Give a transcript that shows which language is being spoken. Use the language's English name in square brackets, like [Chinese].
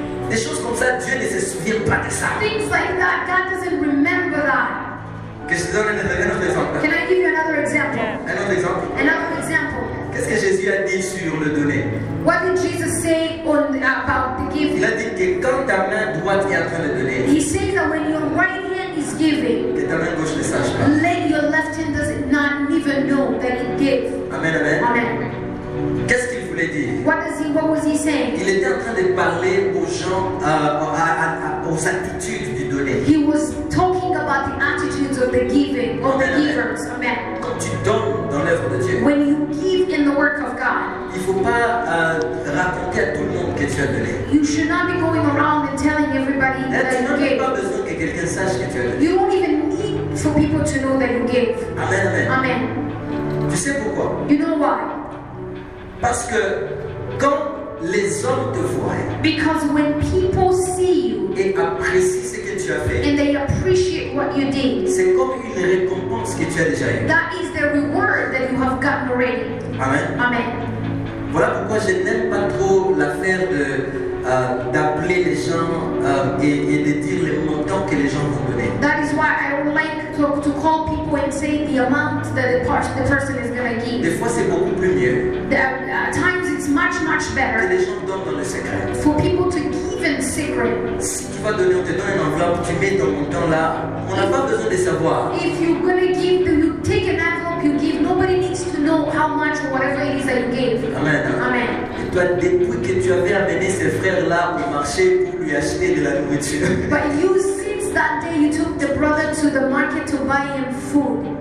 [French] Des choses comme ça, Dieu ne se souvient pas de ça. [English] Things like that, God doesn't remember that. [French] Que je donne un autre exemple. [English] Can I give you another example? Yeah. Another example. [French] Qu'est-ce que Jésus a dit sur le donner? [English] What did Jesus say about the giving? [French] Il a dit que quand ta main droite est en train de donner. [English] He said that when your right hand is giving. [French] Que ta main gauche ne sache pas. [English] Let your left hand does not even know that it gave. Amen, amen. Amen. [French] Qu'est-ce qu'il voulait dire? [English] What was he saying? [French] Il était en train de parler aux gens aux attitudes du donner. [English] He was talking about the attitudes of the giving, of the givers. Amen. [French] Quand tu donnes dans l'œuvre de Dieu. [English] When you give in the work of God. [French] Il faut pas raconter à tout le monde que tu as donné. [English] You should not be going around and telling everybody that you gave. [French] Tu n'as pas besoin que quelqu'un sache que tu as donné. [English] You don't even need for people to know that you gave. Amen, amen. Amen. [French] Tu sais pourquoi? [English] You know why? [French] Parce que quand les hommes te voient, [English] because when people see you, [French] et apprécient ce que tu as fait, [English] and they appreciate what you did, [French] c'est comme une récompense que tu as déjà eu. [English] That is the reward that you have gotten already. Amen. Amen. [French] Voilà pourquoi je n'aime pas trop l'affaire d'appeler les gens et de dire les montants que les gens vont donner. [English] That is why I don't like to call people and say the amount that the person is going to give. [French] Des fois c'est beaucoup plus mieux. [English] At times it's much, much better. [French] Que les gens donnent dans le secret. [English] For people to give in secret. [French] Si tu vas donner, on te donne une enveloppe, tu mets ton montant là. On n'a pas besoin de savoir. [English] If you're going to give, then you take an envelope, you give. Nobody needs to know how much or whatever it is that you gave. Amen. Amen. [French] Toi, depuis que tu avais amené ses frères là au marché pour lui acheter de la nourriture. [English] But you, since that day, you took the brother to the market to buy him food.